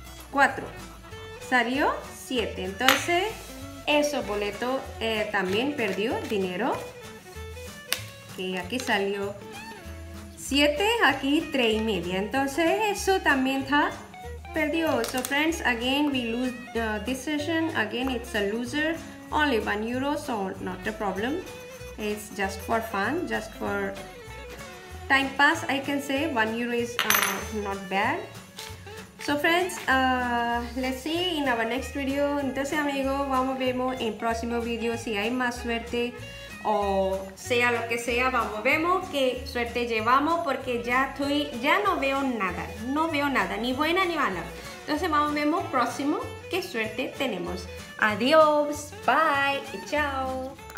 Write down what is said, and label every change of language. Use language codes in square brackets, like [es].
[es] 4. Salió 7. Entonces, eso boleto también perdió dinero. Que okay, aquí salió 7, aquí 3.5. Entonces, eso también está perdió. [en] So friends, again we lose the decision. Again it's a loser. Only 1 euro, so not a problem. It's just for fun, just for time pass, I can say. 1 euro is not bad. So friends, let's see in our next video. [es] Entonces, amigo, vamos a vemos en próximo video si hay más suerte o sea lo que sea. Vamos, vemos qué suerte llevamos, porque ya no veo nada, no veo nada, ni buena ni mala. Entonces, vamos, vemos próximo qué suerte tenemos. Adiós, bye y chao.